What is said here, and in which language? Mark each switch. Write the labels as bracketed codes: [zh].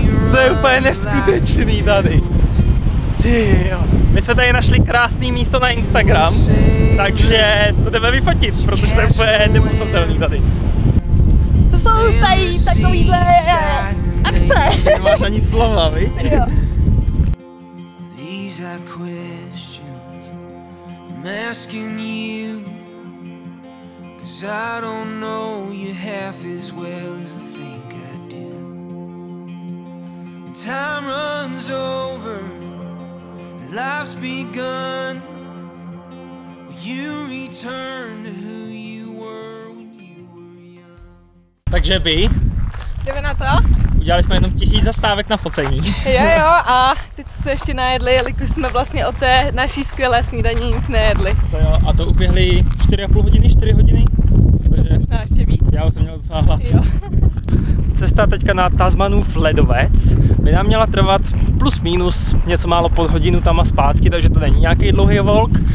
[cs] To je úplně neskutečný tady. Tyjo. My jsme tady našli krásné místo na Instagram, takže to jdeme vyfotit, protože to je úplně nemusatelný tady. To jsou tady takovýhle akce. Nemáš ani slova, viď? [en] These are questions I'm asking you, 'cause I don't know you half as well as I think I do. Time runs over, life's begun. You return to who you were when you were young. [cs] Takže by. Jdeme na to. Udělali jsme jenom 1000 zastávek na focení. Jo, a teď se ještě najedli, jelikož jsme vlastně od té naší skvělé snídaní nic nejedli. To jo, a to uběhly 4,5 hodiny, 4 hodiny. Možná ještě víc. Já už jsem měl docela hlad. Jo. Cesta teďka na Tasmanův ledovec by nám měla trvat plus minus něco málo pod hodinu tam a zpátky, takže to není nějaký dlouhý volk.